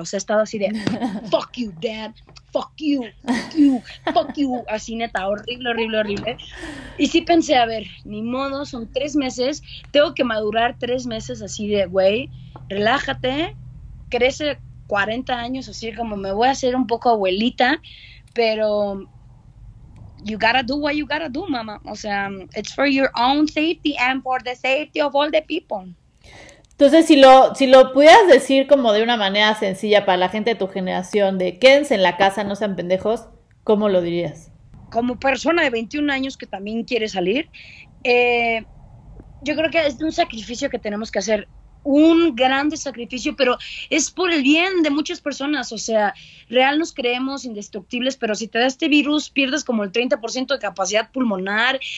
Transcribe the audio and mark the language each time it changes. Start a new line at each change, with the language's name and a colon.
Spanish: O sea, he estado así de...
English: Fuck you, dad. Fuck you. Fuck you. Fuck you.
Spanish: Así, neta. Horrible, horrible, horrible. Y sí pensé, a ver, ni modo. Son tres meses. Tengo que madurar tres meses así de, güey, relájate. Crece 40 años. Así como me voy a hacer un poco abuelita.
English: Pero... You gotta do what you gotta do, mama.
Spanish: O sea,
English: it's for your own safety and for the safety of all the people.
Spanish: Entonces, si lo pudieras decir como de una manera sencilla para la gente de tu generación, de quédense en la casa, no sean pendejos, ¿cómo lo dirías? como persona de 21 años que también quiere salir, yo creo que es un sacrificio que tenemos que hacer, un grande sacrificio, pero es por el bien de muchas personas. O sea, real nos creemos indestructibles, pero si te da este virus, pierdes como el 30% de capacidad pulmonar.